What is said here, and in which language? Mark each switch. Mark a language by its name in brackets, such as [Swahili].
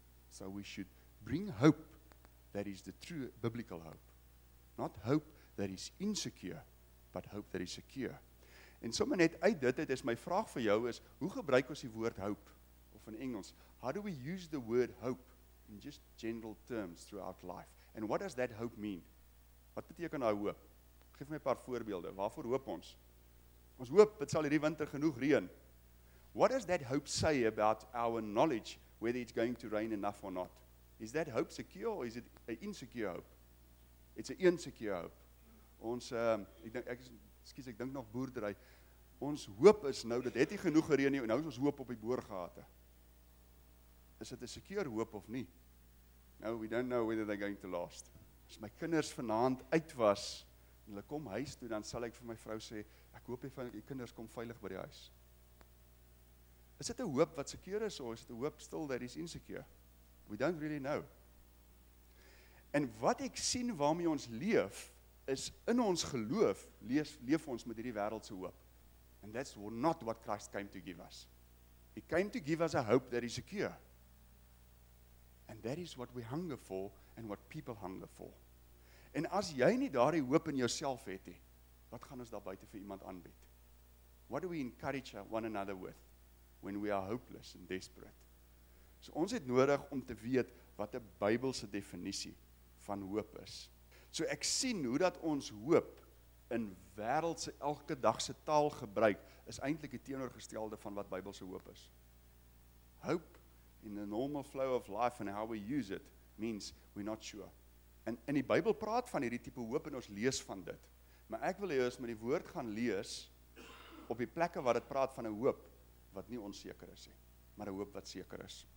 [English] So we should bring hope that is the true biblical hope. Not hope that is insecure, but hope that is secure. [Afrikaans] En sommer net uit dit het, is my vraag vir jou is, hoe gebruik ons die woord hope? Of in Engels, [English] how do we use the word hope in just general terms throughout life? And what does that hope mean? [Afrikaans] Wat beteken daai hoop? Geef my 'n paar voorbeelde. Waarvoor hoop ons? Ons hoop dit sal hierdie winter genoeg reën. [English] What does that hope say about our knowledge whether it's going to rain enough or not? Is that hope secure or is it an insecure hope? It's an insecure hope. [Afrikaans] Ons ek dink nog boerdery. Ons hoop is nou dat het nie genoeg gereën nie en nou is ons hoop op die boergate. Is dit 'n secure hoop of nie? [English] Now we don't know whether they're going to last. [Afrikaans] As my kinders vanaand uit was en hulle kom huis toe, dan sal ek vir my vrou sê, ek hoop jy van die kinders kom veilig by die huis. Is dit 'n hoop wat secure is, of is dit 'n hoop still [English] that is insecure? We don't really know. [Afrikaans] En wat ek sien waarmee ons leef, is in ons geloof leef ons met hierdie wêreldse hoop. [English] And that's not what Christ came to give us. He came to give us a hope that is secure. And that is what we hunger for and what people hunger for. [Afrikaans] En as jy nie daardie hoop in jouself het nie, wat gaan ons daar buite vir iemand aanbied? [English] What do we encourage one another with when we are hopeless and desperate? [Afrikaans] So ons het nodig om te weet wat 'n Bybelse definisie van hoop is. So ek sien hoe dat ons hoop in wêreldse elke dag se taal gebruik is eintlik die teenoorgestelde van wat Bybelse hoop is. [English] Hope in the normal flow of life and how we use it means we're not sure. [Afrikaans] En in die Bybel praat van hierdie tipe hoop en ons lees van dit. Maar ek wil hê ons moet die woord gaan lees op die plekke waar dit praat van 'n hoop wat nie onseker is nie, maar 'n hoop wat seker is.